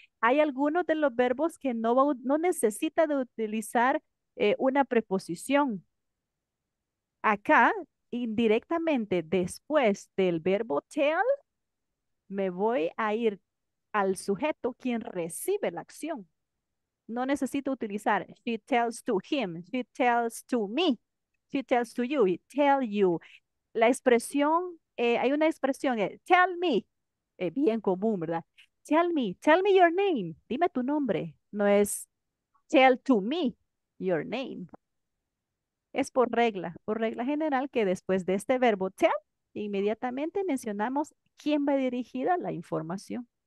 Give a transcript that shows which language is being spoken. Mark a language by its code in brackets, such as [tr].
[es] Hay algunos de los verbos que no necesita de utilizar una preposición. Acá, indirectamente, después del verbo tell, me voy a ir al sujeto quien recibe la acción. No necesito utilizar [en] she tells to him, she tells to me, she tells to you, tell you. [es] La expresión, hay una expresión, [en] tell me, [es] bien común, ¿verdad? [en] Tell me your name, [es] dime tu nombre. No es [en] tell to me your name. [es] Es por regla general, que después de este verbo tell, inmediatamente mencionamos quién va dirigida la información.